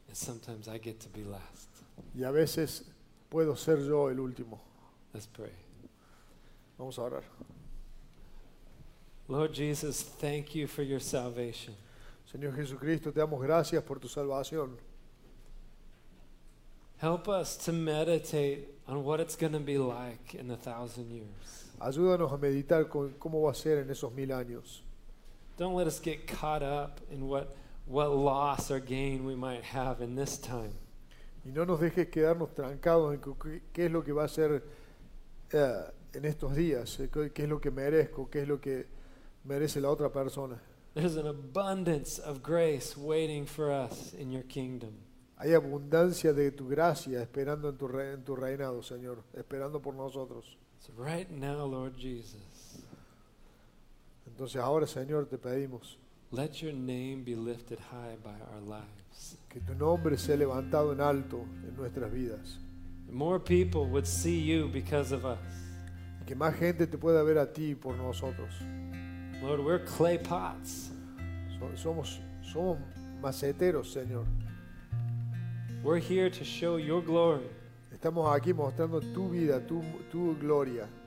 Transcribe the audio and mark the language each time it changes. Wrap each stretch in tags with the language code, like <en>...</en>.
<en>And sometimes I get to be last.</en> <es>Y a veces puedo ser yo el último.</es> <en>Let's pray.</en> <es>Vamos a orar.</es> <en>Lord Jesus, thank you for your salvation.</en> <es>Señor Jesucristo, te damos gracias por tu salvación.</es> <en>Help us to meditate on what it's going to be like in 1,000 years.</en> <es>Ayúdanos a meditar con cómo va a ser en esos 1,000 años.</es> <en>Don't let us get caught up in what loss or gain we might have in this time.</en> <es>Y no nos dejes quedarnos trancados en qué es lo que va a ser en estos días, qué es lo que merezco, qué es lo que merece la otra persona.</es> <en>There's an abundance of grace waiting for us in your kingdom.</en> <es>Hay abundancia de tu gracia esperando en tu reinado, Señor, esperando por nosotros.</es> <en>So right now, Lord Jesus.</en> <es>Entonces ahora, Señor, te pedimos.</es> <en>Let your name be lifted high by our lives.</en> <es>Que tu nombre sea levantado en alto en nuestras vidas.</es> <en>More people would see you because of us.</en> <es>Que más gente te pueda ver a ti por nosotros.</es> <en>Lord, we're clay pots.</en> <es>Somos maceteros, Señor.</es> <en>We're here to show your glory.</en> <es>Estamos aquí mostrando tu vida, tu gloria.</es>